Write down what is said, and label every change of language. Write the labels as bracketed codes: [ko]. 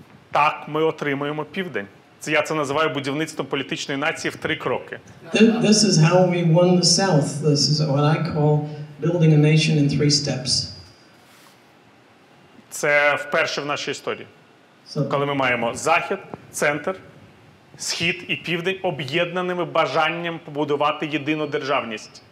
[uk] Так ми отримуємо Південь. Це я це називаю будівництвом політичної нації в три кроки. [en] This is how we won the South. This is what I call building a nation in three steps. [uk] Це вперше в нашій історії, коли ми маємо Захід, Центр, Схід і Південь об'єднаними бажанням побудувати єдину державність.